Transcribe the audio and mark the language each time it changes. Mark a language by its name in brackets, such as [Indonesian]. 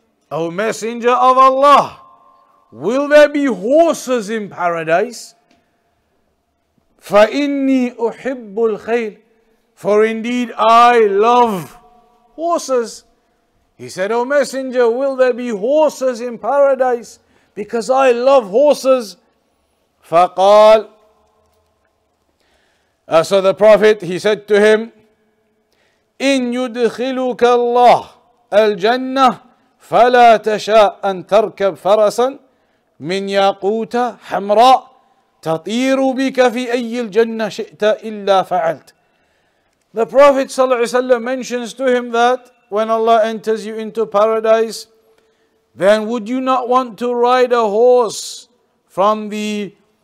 [English] O Messenger of Allah, will there be horses in paradise? [Arabic] Fa inni uhibbul khayl, [English] for indeed I love horses. He said, O Messenger, will there be horses in paradise? Because I love horses. [Arabic] فقال, [English] so the Prophet, he said to him, [Arabic] إِن يُدْخِلُكَ اللَّهُ الْجَنَّةِ فَلَا تَشَاءَ أَن تَرْكَبْ فَرَسًا مِنْ يَاقُوتَ حَمْرَاءَ تَطِيرُ بِكَ فِي أَيِّ الْجَنَّةِ شِئْتَ إِلَّا فَعَلْتَ. [English] The Prophet ﷺ mentions to him that when Allah enters you into paradise, then would you not want to ride a horse from the